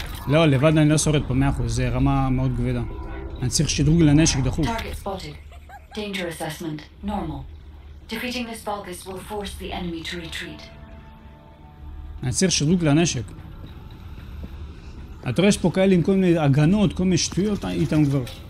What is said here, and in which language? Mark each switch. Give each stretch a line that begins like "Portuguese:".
Hebrew: לא, לבד אני לא שורד פה, 100%. זה רמה מאוד גבדה. אני צריך שדרוג לנשק דחוף.
English: Target spotted. Danger assessment. Normal. Defeating this bulgus will force the enemy to retreat.
Hebrew: אני צריך שדרוג לנשק. אתה רואה שפה כאלה עם כל מיני הגנות, כל מיני שטויות איתם כבר.